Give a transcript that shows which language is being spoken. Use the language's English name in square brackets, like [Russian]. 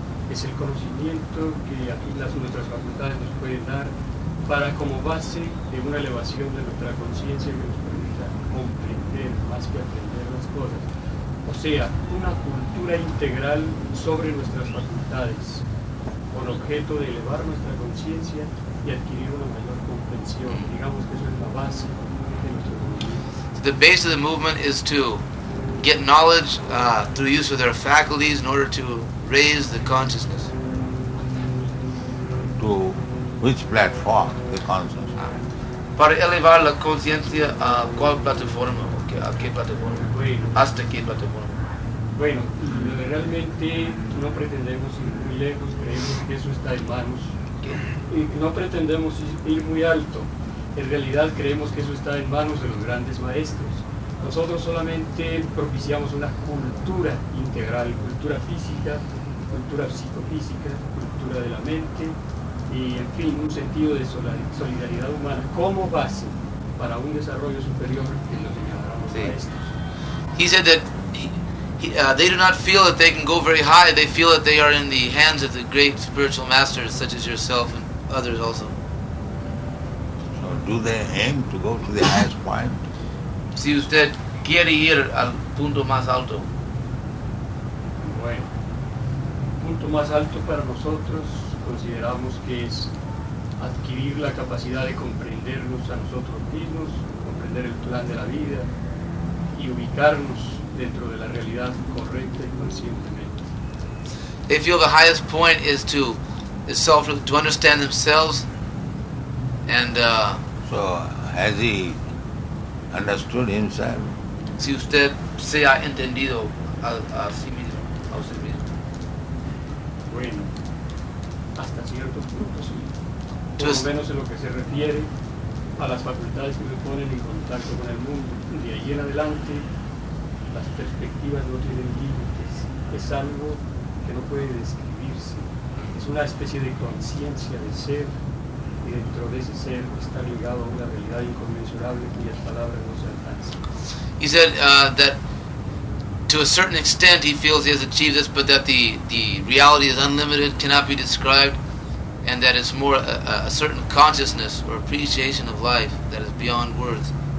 [Spanish] Es el conocimiento que aquí las nuestras facultades nos pueden dar para como base de una elevación de nuestra conciencia que nos permita comprender más que aprender las cosas. O sea, una cultura integral sobre nuestras facultades, con objeto de elevar nuestra conciencia y adquirir una mayor comprensión. Digamos que eso es la base de nuestro movimiento. [English] The base of the movement is to get knowledge through use of their faculties in order to raise the consciousness. To which platform, the consciousness? [Spanish] Para elevar la conciencia a cual plataforma, a qué plataforma, bueno, hasta qué plataforma. Bueno, realmente no pretendemos ir muy lejos, creemos que eso está en manos. ¿Qué? No pretendemos ir muy alto, en realidad creemos que eso está en manos de los grandes maestros. Nosotros solamente propiciamos una cultura integral, cultura física, cultura psicofísica, cultura de la mente, y en fin, un sentido de solidaridad humana como base para un desarrollo superior que nos enseñaron los maestros. [English] He said that they do not feel that they can go very high. They feel that they are in the hands of the great spiritual masters such as yourself and others also. So do they aim to go to the highest point? [Spanish] Si usted quiere ir al punto más alto. Bueno, punto más alto para nosotros consideramos que es adquirir la capacidad de comprendernos a nosotros mismos, comprender el plan de la vida y ubicarnos dentro de la realidad correcta y conscientemente. [English] They feel the highest point is to understand themselves and so has he understood himself? [Spanish] Si usted se ha entendido a sí mismo, a usted mismo. Bueno, hasta cierto punto sí. Por lo menos en lo que se refiere a las facultades que me ponen en contacto con el mundo. De ahí en adelante, las perspectivas no tienen límites. Es algo que no puede describirse. Es una especie de conciencia de ser. Y dentro de ese ser está ligado a una realidad inconmensurable cuyas palabras no se alcanzan. [English] He said that to a certain extent he feels he has achieved this, but that the reality is unlimited, cannot be described, and that it's more a certain consciousness or appreciation of life that is beyond words.